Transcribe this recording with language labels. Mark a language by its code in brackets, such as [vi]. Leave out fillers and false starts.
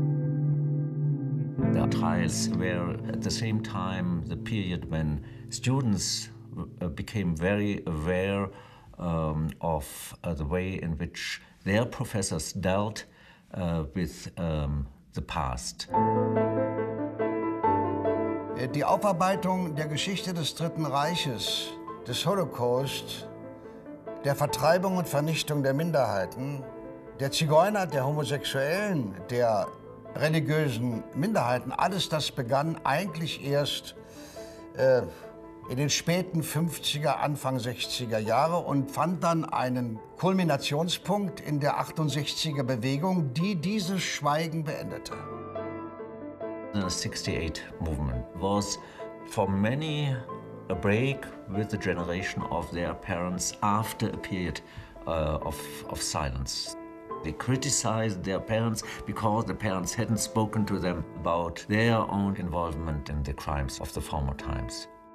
[en] years were at the same time the period when students became very aware of the way in which their professors dealt with the past. [de] Die Aufarbeitung der Geschichte des Dritten Reiches, des Holocaust, der Vertreibung und Vernichtung der Minderheiten, der Zigeuner, der Homosexuellen, der religiösen Minderheiten, alles das begann eigentlich erst in den späten 50er, Anfang 60er Jahre und fand dann einen Kulminationspunkt in der 68er Bewegung, die dieses Schweigen beendete. [en] The 68 movement was for many a break with the generation of their parents after a period of silence. They criticized their parents because the parents hadn't spoken to them about their own involvement in the crimes of the former times.